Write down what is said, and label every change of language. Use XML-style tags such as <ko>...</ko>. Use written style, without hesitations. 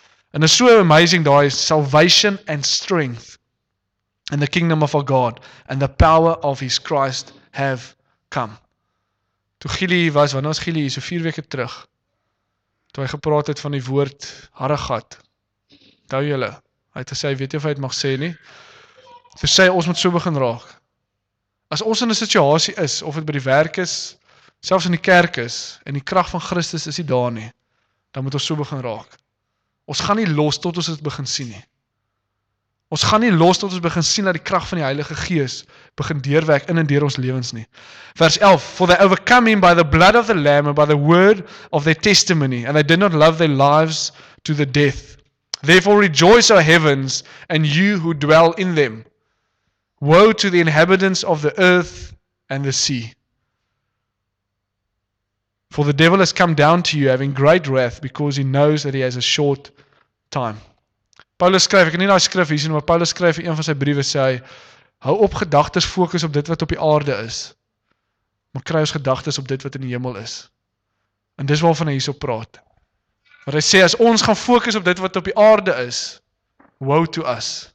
<af>En is so amazing daai,</af> <en>salvation and strength in the kingdom of our God and the power of his Christ have come.</en> <af>Toe Gilie was, wanneer was Gilie, so 4 weke terug, toe hy gepraat het van die woord harde gat, tou jylle, hy het gesê, weet jy of hy het mag sê nie, toe sê, ons moet so begin raak. As ons in 'n situasie is, of het by die werk is, selfs in die kerk is, en die krag van Christus is nie daar nie, dan moet ons so begin raak. Ons gaan nie los tot ons dit begin sien nie. Ons gaan nie los tot ons begin sien dat die krag van die Heilige Gees begin deurwerk in en deur ons lewens nie.</af> <en>Vers 11, for they overcome him by the blood of the Lamb and by the word of their testimony, and they did not love their lives to the death. Therefore rejoice, O heavens, and you who dwell in them. Woe to the inhabitants of the earth and the sea. For the devil has come down to you having great wrath because he knows that he has a short time.</en> <af>Paulus skryf, ek kan nie daai skrif hier sien, maar Paulus skryf in een van sy briewe, sê hy, hou op gedagtes fokus op dit wat op die aarde is, maar kry ons gedagtes op dit wat in die hemel is. En dis waarvan hy hierso praat. Want hy sê, as ons gaan fokus op dit wat op die aarde is,</af> <en>woe to us.</en>